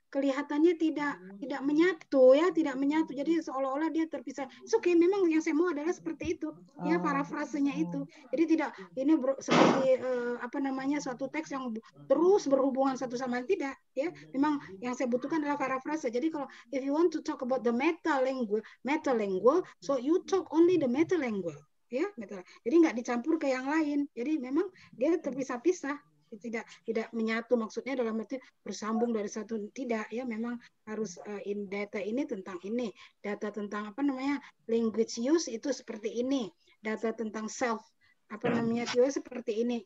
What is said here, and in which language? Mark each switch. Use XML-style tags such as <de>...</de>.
<id>Kelihatannya tidak menyatu, ya, tidak menyatu, jadi seolah-olah dia terpisah. So, okay, memang yang saya mau adalah seperti itu, ya, parafrasenya itu. Jadi tidak ini seperti suatu teks yang terus berhubungan satu sama lain, tidak, ya. Memang yang saya butuhkan adalah parafrase.</id> <en>Jadi kalau if you want to talk about the metalingual, so you talk only the metalingual, ya, metal.</en> <id>Jadi nggak dicampur ke yang lain. Jadi memang dia terpisah-pisah. Tidak menyatu, maksudnya dalam arti bersambung dari satu, tidak, ya. Memang harus in data ini tentang ini, data tentang apa namanya language use itu seperti ini, data tentang self apa namanya itu seperti ini.</id>